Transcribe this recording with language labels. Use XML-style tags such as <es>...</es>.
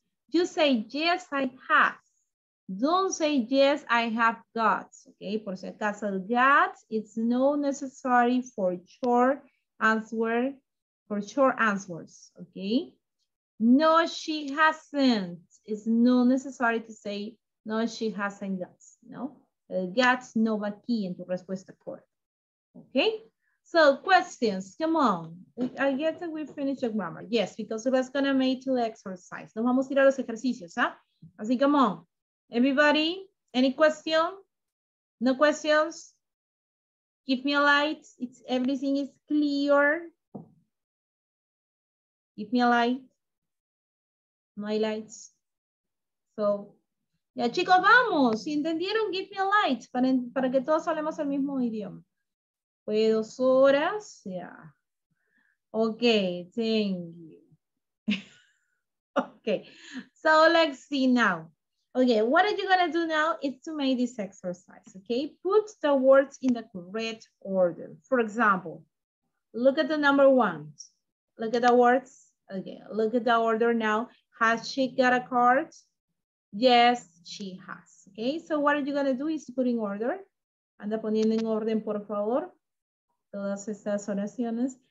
<en>You say, yes, I have. Don't say, yes, I have got. Okay,</en> <es>por si acaso,</es> <en>got, it's not necessary for short answers, okay? No, she hasn't. It's not necessary to say, no, she hasn't got, no?</en> <es>Got no va aquí en tu respuesta correcta.</es> <en>Okay? So, questions, come on. I guess that we finished the grammar. Yes, because it was gonna make to exercise.</en> <es>Nos vamos a ir a los ejercicios, ¿ah?</es> <en>¿Eh? Así, come on. Everybody, any question? No questions? Give me a light. Everything is clear. Give me a light. My lights. So,</en> <es>ya chicos, vamos. Si entendieron,</es> <en>give me a light</en> <es>para que todos hablemos el mismo idioma. Fue 2 horas. Ya.</es> <en>Yeah. Ok, thank you. Ok, so let's see now. Ok, what are you going to do now is to make this exercise. Ok, put the words in the correct order. For example, look at the number 1. Look at the words. Ok, look at the order now. Has she got a card? Yes, she has. Okay, so what are you going to do is put in order.</en> <es>Anda poniendo en orden, por favor, todas estas oraciones.</es>